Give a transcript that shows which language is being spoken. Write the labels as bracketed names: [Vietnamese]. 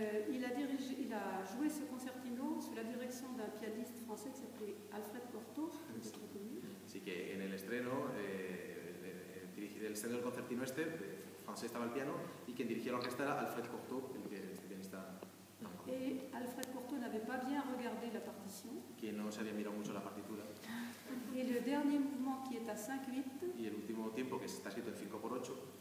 [French] Il a joué ce concertino sous la direction d'un pianiste français qui s'appelait Alfred Cortot. [Spanish] Así que en el estreno, el estreno del concertino este, francés estaba al piano, y quien dirigía la orquesta era Alfred Cortot, el pianista. [French] Et Alfred Cortot n'avait pas bien regardé la partition. [Spanish] Que no se había mirado mucho la partitura. [French] Et le dernier mouvement qui est à 5/8. [Spanish] Y el último tiempo que está escrito en 5/8.